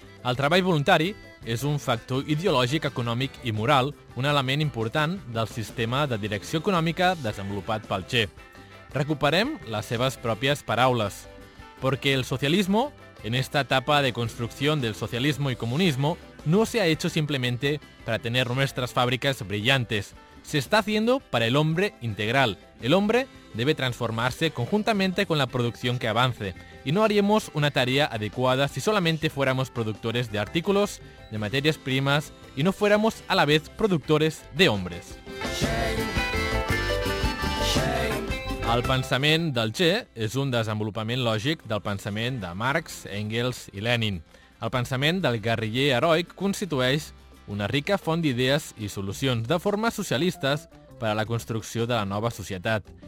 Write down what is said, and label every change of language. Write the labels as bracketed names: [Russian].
[Catalan] El treball voluntari és un factor ideològic, econòmic i moral, un element important del sistema de direcció econòmica desenvolupat pel Che. Recuperem les seves pròpies paraules. [Spanish] Porque el socialismo, en esta etapa de construcción del socialismo y comunismo, no se ha hecho simplemente para tener nuestras fábricas brillantes. Se está haciendo para el hombre integral. El hombre debe transformarse conjuntamente con la producción que avance, y no haríamos una tarea adecuada si solamente fuéramos productores de artículos, de materias primas, y no fuéramos a la vez productores de hombres. [Catalan] El pensament del Che és un desenvolupament lògic del pensament de Marx, Engels i Lenin. El pensament del guerriller heroic constitueix una rica font d'idees i solucions de forma socialistes per a la construcció de la nova societat.